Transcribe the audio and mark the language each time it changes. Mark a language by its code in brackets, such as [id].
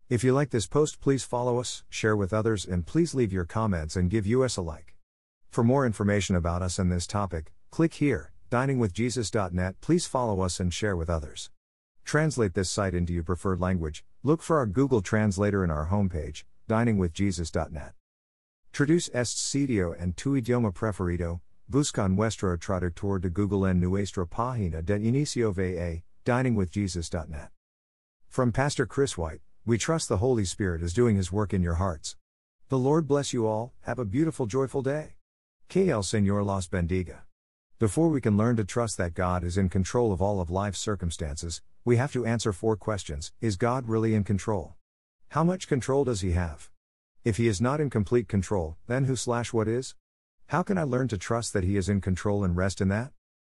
[en] If you like this post, please follow us, share with others, and please leave your comments and give us a like. For more information about us and this topic, click here, diningwithjesus.net. Please follow us and share with others. Translate this site into your preferred language. Look for our Google Translator in our homepage, diningwithjesus.net. [es] Traduce este sitio en tu idioma preferido, busca nuestro traductor de Google en nuestra página de inicio VA, diningwithjesus.net. [en] From Pastor Chris White, we trust the Holy Spirit is doing His work in your hearts. The Lord bless you all, have a beautiful joyful day. [es] Que el Señor los bendiga. [en] Before we can learn to trust that God is in control of all of life's circumstances, we have to answer four questions. Is God really in control? How much control does He have? If He is not in complete control, then who/what is? How can I learn to trust that He is in control and rest in that?